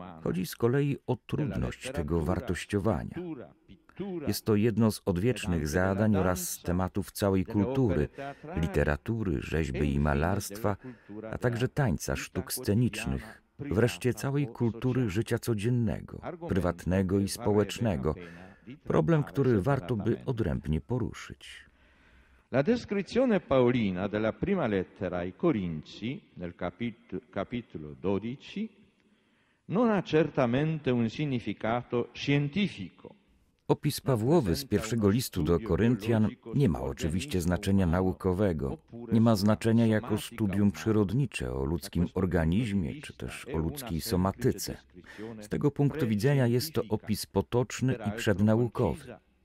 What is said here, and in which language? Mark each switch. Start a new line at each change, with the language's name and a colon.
Polish: Chodzi z kolei o trudność tego wartościowania. Jest to jedno z odwiecznych zadań oraz tematów całej kultury, literatury, rzeźby i malarstwa, a także tańca, sztuk scenicznych, wreszcie całej kultury życia codziennego, prywatnego i społecznego, problem, który warto by odrębnie poruszyć.
Italian: La descrizione paolina della prima lettera ai Corinzi nel capitolo 12 non ha certamente un significato scientifico.
Polish: Opis Pawłowy z pierwszego listu do Koryntian nie ma oczywiście znaczenia naukowego, nie ma znaczenia jako studium przyrodnicze o ludzkim organizmie czy też o ludzkiej somatyce. Z tego punktu widzenia jest to opis potoczny i przednaukowy.